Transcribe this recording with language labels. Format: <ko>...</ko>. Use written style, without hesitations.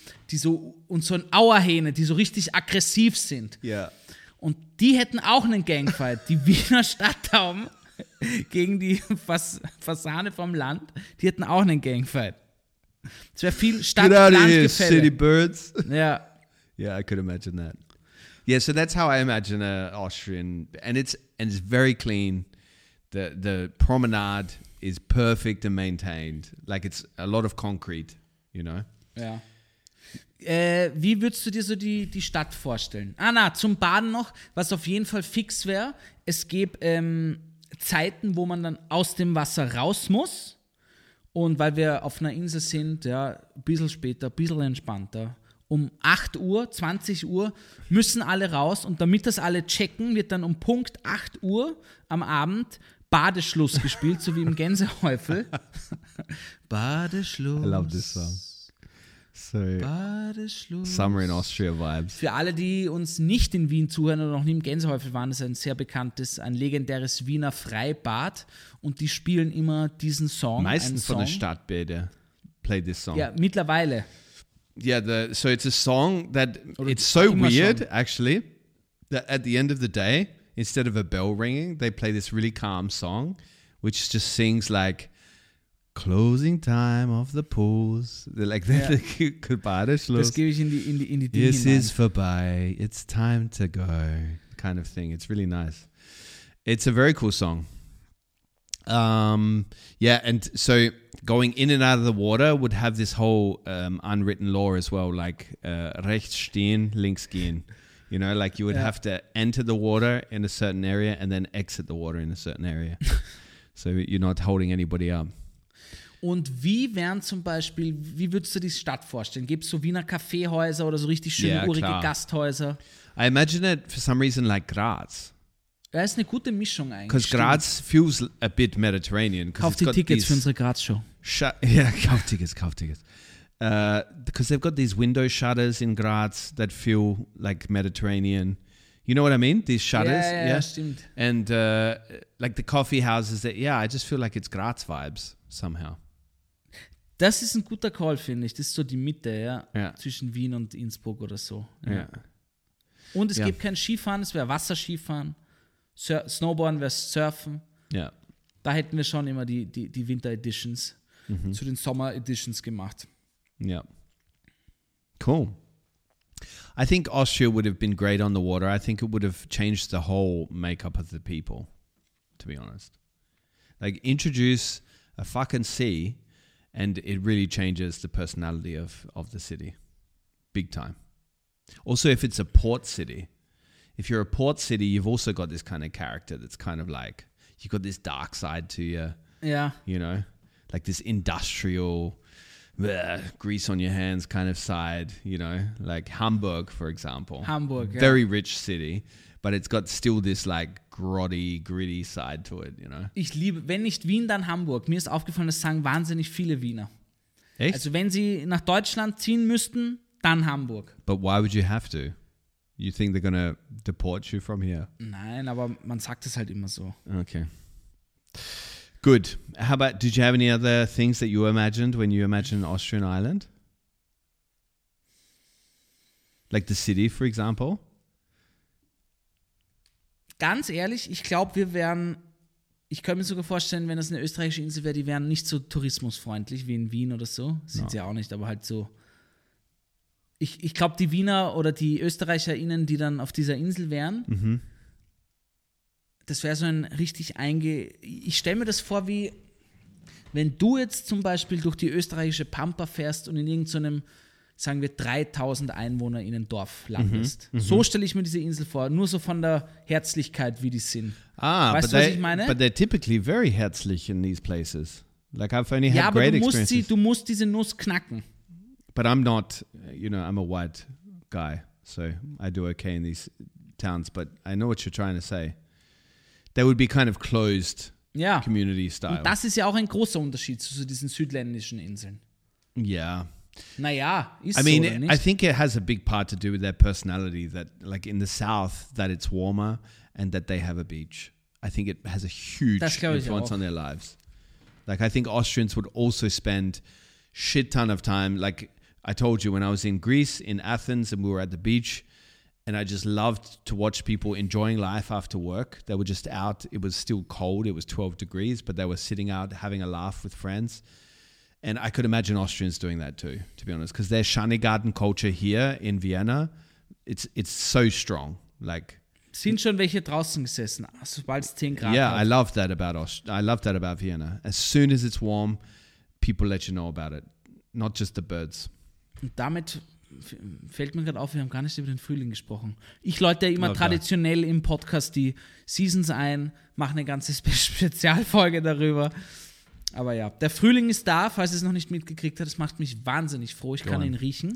<de>Die so, und so ein Auerhähne, die so richtig aggressiv sind. Ja. Und die hätten auch einen Gangfight. Die Wiener Stadttauben gegen die Fasane vom Land, die hätten auch einen Gangfight. Es wäre viel Stadt-Land-Gefälle.</de> <en>City Birds.</en> <de>Ja.</de> <en>Yeah, I could imagine that. Yeah, so that's how I imagine an Austrian, and it's very clean. The promenade is perfect and maintained. Like it's a lot of concrete, you know?</en> <de>Ja. Wie würdest du dir so die Stadt vorstellen? Ah, na, zum Baden noch, was auf jeden Fall fix wäre, es gäbe Zeiten, wo man dann aus dem Wasser raus muss. Und weil wir auf einer Insel sind, ja, ein bisschen später, ein bisschen entspannter. um 8 Uhr, 20 Uhr, müssen alle raus und damit das alle checken, wird dann um Punkt 8 Uhr am Abend Badeschluss gespielt, so wie im Gänsehäufel. Badeschluss.</de> <en>I love this song. So, Badeschluss. Summer in Austria vibes.</en> <de>Für alle, die uns nicht in Wien zuhören oder noch nie im Gänsehäufel waren, ist ein sehr bekanntes, ein legendäres Wiener Freibad und die spielen immer diesen Song. Meistens von der Stadtbäder</de> <en>play this song.</en> <de>Ja, mittlerweile.</de> <en>Yeah, so it's a song that, it's so weird actually, that at the end of the day, instead of a bell ringing, they play this really calm song, which just sings like, closing time of the pools. Like, yeah. The Badeschluss.</en> <de>Das gebe ich in die Dinge hinein.</de> <en>This is vorbei. It's time to go. Kind of thing. It's really nice. It's a very cool song. Yeah, and so going in and out of the water would have this whole unwritten law as well.</en> <de>Like, rechts stehen, links gehen.</de> <en>You know, like you would have to enter the water in a certain area and then exit the water in a certain area. So you're not holding anybody up.</en> <de>Und wie wären zum Beispiel, wie würdest du die Stadt vorstellen? Gibt es so Wiener Kaffeehäuser oder so richtig schöne, urige Gasthäuser?</de> <en>I imagine it for some reason like Graz.</en> <de>Ja, ist eine gute Mischung eigentlich.</de> <en>Because Graz feels a bit Mediterranean.</en> <de>Kauf die Tickets für unsere Graz-Show. Kauf Tickets.</de> <en>Because they've got these window shutters in Graz that feel like Mediterranean. You know what I mean? These shutters.</en> <de>Ja, stimmt.</de> <en>And like the coffee houses. I just feel like it's Graz vibes somehow.</en> <de>Das ist ein guter Call, finde ich. Das ist so die Mitte, zwischen Wien und Innsbruck oder so. Ja. Und es gibt kein Skifahren, es wäre Wasserskifahren. Snowboarden wäre Surfen. Ja. Da hätten wir schon immer die Winter-Editions zu den Sommer-Editions gemacht. Ja. Cool.</de> <en>I think Austria would have been great on the water. I think it would have changed the whole makeup of the people, to be honest. Like, introduce a fucking sea. And it really changes the personality of the city, big time. Also, if it's a port city, if you're a port city, you've also got this kind of character that's kind of like, you've got this dark side to you. Yeah. You know, like this industrial, grease on your hands kind of side, you know, like Hamburg, for example. Hamburg, yeah. Very rich city. But it's got still this like grotty, gritty side to it, you know.</en> <de>Ich liebe, wenn nicht Wien, dann Hamburg. Mir ist aufgefallen, das sagen wahnsinnig viele Wiener. Echt? Also wenn sie nach Deutschland ziehen müssten, dann Hamburg.</de> <en>But why would you have to? You think they're gonna deport you from here?</en> <de>Nein, aber man sagt es halt immer so.</de> <en>Okay. Good. How about, did you have any other things that you imagined when you imagined an Austrian island? Like the city, for example?</en> <de>Ganz ehrlich, ich glaube, ich könnte mir sogar vorstellen, wenn das eine österreichische Insel wäre, die wären nicht so tourismusfreundlich wie in Wien oder so. Sind sie auch nicht, aber halt so. Ich glaube, die Wiener oder die ÖsterreicherInnen, die dann auf dieser Insel wären, das wäre so ein richtig ich stelle mir das vor, wie wenn du jetzt zum Beispiel durch die österreichische Pampa fährst und in irgendeinem, sagen wir, 3000 Einwohner in ein Dorf landest. Mm-hmm. So stelle ich mir diese Insel vor, nur so von der Herzlichkeit, wie die sind. Ah, weißt du, was ich meine?</de> <en>But they're typically very herzlich in these places. Like, I've only had great experiences.</en> <de>Ja, aber du musst diese Nuss knacken.</de> <en>But I'm not, you know, I'm a white guy, so I do okay in these towns, but I know what you're trying to say. They would be kind of closed community style.</en> <de>Und das ist ja auch ein großer Unterschied zu so diesen südländischen Inseln. Ja. Yeah. Naja,</de> <en>I mean, I think it has a big part to do with their personality, that like in the south, that it's warmer and that they have a beach. I think it has a huge influence on their lives. Like, I think Austrians would also spend shit ton of time. Like I told you, when I was in Greece, in Athens, and we were at the beach, and I just loved to watch people enjoying life after work. They were just out. It was still cold. It was 12 degrees, but they were sitting out having a laugh with friends. And I could imagine Austrians doing that too, to be honest, because their Schanigarten culture here in Vienna, it's so strong. Like,</en> <de>sind schon welche draußen gesessen, sobald es 10 Grad.</de> <en>Yeah, I love that about I love that about Vienna. As soon as it's warm, people let you know about it, not just the birds.</en> <de>Und damit fällt mir gerade auf, wir haben gar nicht über den Frühling gesprochen. Ich läute ja immer traditionell im Podcast die Seasons ein, mache eine ganze Spezialfolge darüber. Aber ja, der Frühling ist da, falls ihr es noch nicht mitgekriegt habt. Das macht mich wahnsinnig froh. Ich kann ihn riechen.</de>